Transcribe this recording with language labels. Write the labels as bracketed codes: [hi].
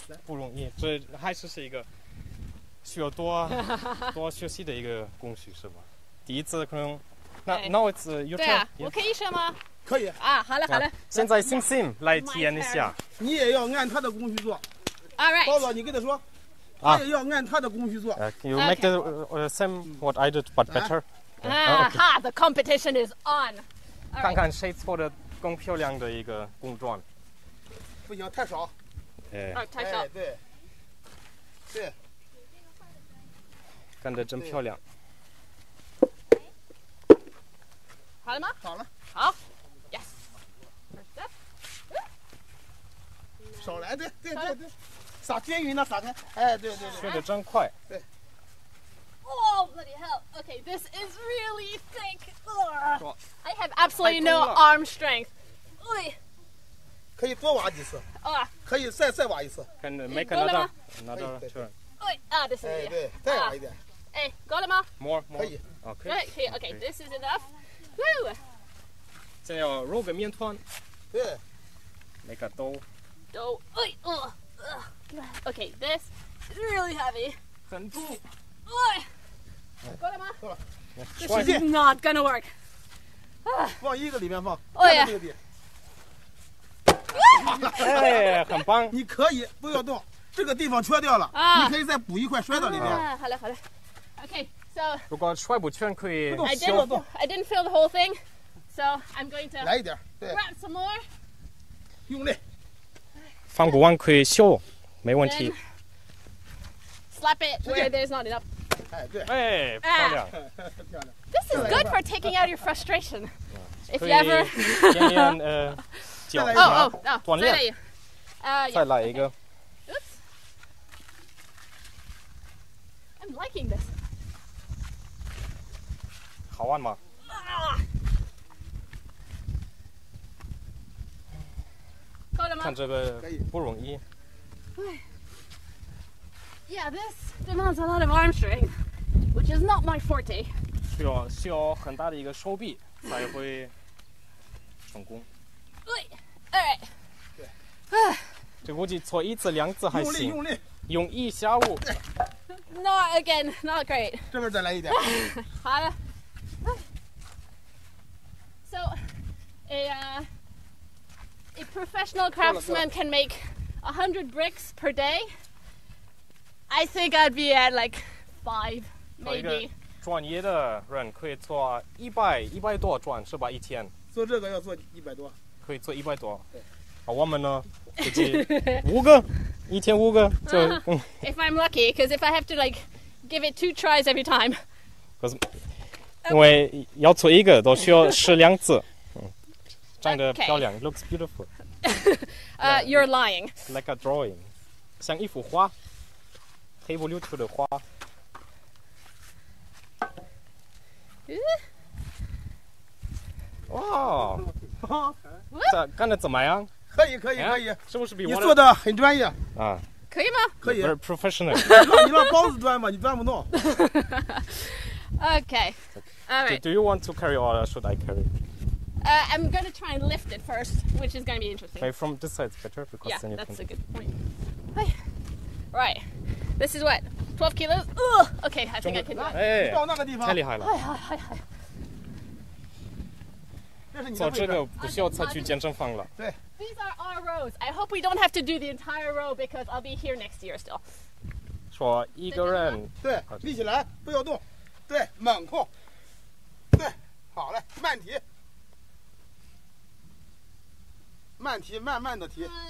[zh] 不容易，这还是一个需要多学习的一个工序，是吧？第一次可能，那我是有点。对啊，我可以学吗？可以。啊，好了。现在Sim来体验一下。你也要按他的工序做。 [en] All right。 [zh] 包子，你跟他说，他也要按他的工序做。 [en] You make the same what I did but better. Okay. The competition is on. [zh] 看看谁做的更漂亮的一个工砖。不行，太少。太少。对。干得真漂亮。好了吗？好了。好。 [en] Yes. First up. [zh] 手来的，对，撒均匀了，撒开。哎，对。学得真快。对。 [en] Oh, bloody hell. Okay, this is really thick. I have absolutely no arm strength. [zh] 可以多挖几次。可以再挖一次。 [en] Can make another turn. Oh, this is it. [zh] 再挖一点。够了吗？ [en] More. [zh] 可以。 [en] Okay, this is enough. [zh] 再要揉个面团。对。 [en] Make a dough. Dough. Okay, this is really heavy. [zh] 很重。够了吗？够了。 [en] This is not gonna work. [zh] 放一个里面放。哦呀。啊！哎，很棒。你可以不要动，这个地方缺掉了，你可以再补一块摔到里面。好嘞，好嘞。 [en] OK， so [zh] 如果摔不全可以修复。 [en] I didn't feel the whole thing， so I'm going to [zh] 来一点， [en] grab some more， [zh] 用力。翻古弯可以修，没问题。 [en] Slap it where there's not enough。 [zh] 哎，对，哎，漂亮。 [en] This is good for taking out your frustration. If you ever [zh] 练练脚，哦哦哦，锻炼。再来一个。 [en] Oops. I'm liking this. [zh] 好玩吗？够了吗？看这个不容易。对。 [en] Yeah, this demands a lot of arm strength. Which is not my forte. [zh] 需要很大的一个手臂才会成功。 [en] 对 ，All right. [zh] 对。这估计搓一次两次还行。用力用力。用一下午。 [en] Not again. Not great. [zh] 这边再来一点。好的。 [en] So, a professional craftsman can make 100 bricks per day. I think I'd be at like 5. [zh] 做一个专业的人可以做一百多转是吧？一天做这个要做一百多，可以做一百多。对，我们呢，估计五个，一天五个就。 [en] If I'm lucky, because if I have to like give it two tries every time. [zh] 可是，因为要做一个都需要试两次。长得漂亮 [en] okay. ，looks beautiful. You're lying. Like a drawing, [zh] 像一幅画，黑不溜秋的画。哇，这干的怎么样？可以可以可以，是不是比你做的很专业啊？可以吗？可以 [en] ，very professional。 [zh] 你让包子钻吧，你钻不动。 [en] Okay, all right. Do you want to carry or should I carry? I'm gonna try and lift it first, which is gonna be interesting. Okay, from this side is better because then you can. Yeah, that's a good point. Right, this is what. 12 kilos? Ugh! Okay, I think I can do it. [zh] 到那个地方。太厉害了。哎呀，哎呀。做这个不需要再去健身房了。对。 [en] These are our rows. I hope we don't have to do the entire row because I'll be here next year still. [zh] 说一个人。对，立起来，不要动。对，猛控。对，好嘞，慢提。慢提，慢慢的提。